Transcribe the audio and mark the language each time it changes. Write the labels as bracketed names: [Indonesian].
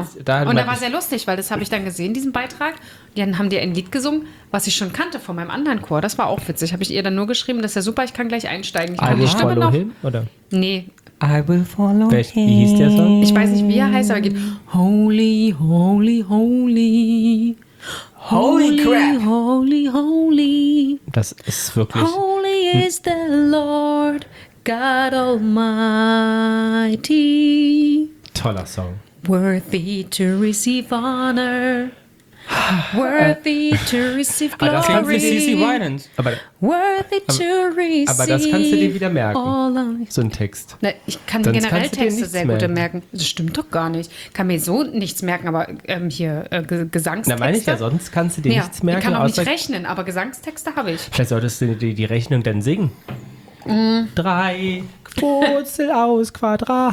[German] Und da war sehr lustig, weil das habe ich dann gesehen, diesen Beitrag. Dann haben die ein Lied gesungen, was ich schon kannte von meinem anderen Chor. Das war auch witzig. Habe ich ihr dann nur geschrieben, das ist ja super, ich kann gleich einsteigen. [English] I will follow him, [German] oder? Nee. [English] I will follow him. [German] Wie hieß der Song? Ich weiß nicht, wie er heißt, aber geht [English] holy, holy, holy. Holy crap. Holy, holy. [German] Das ist wirklich... [English] Holy is the Lord, God Almighty. [German] Toller Song. [English] Worthy to receive honor. Worthy to receive glory. [German] Das kannst du [English] CC Winans. Worthy to receive. [German] Aber das kannst du dir wieder merken. So ein Text. Na, ich kann sonst generell Texte sehr gut merken. Das stimmt doch gar nicht. Kann mir so nichts merken, aber hier Gesangstexte. Na, meine ich ja, sonst kannst du dir nichts merken. Ich kann auch nicht rechnen, aber Gesangstexte habe ich. Vielleicht solltest du dir die Rechnung dann singen. Drei Wurzel aus Quadrat.